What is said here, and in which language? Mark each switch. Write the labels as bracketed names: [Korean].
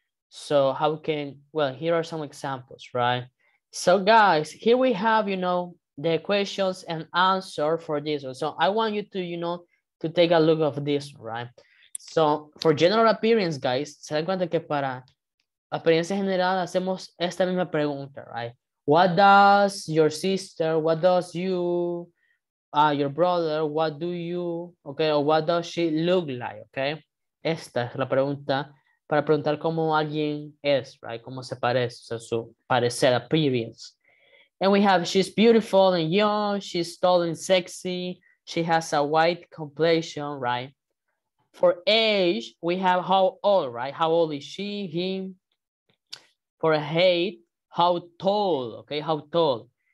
[English] So how can, well, here are some examples, right? So guys, here we have, you know, the questions and answer for this one. So I want you to, you know, to take a look of this, right? So for general appearance, [Spanish] guys, se dan cuenta que para apariencia general hacemos esta misma pregunta, right? [English] What does your sister, what does you, your brother, what do you, okay? Or what does she look like, okay? [Spanish] Esta es la pregunta para preguntar cómo alguien es, right? Cómo se parece, o sea, su parecer, appearance. [English] And we have, she's beautiful and young, she's tall and sexy, she has a white complexion, right? For age, we have how old, right? How old is she, him? For height, how tall, okay? How tall?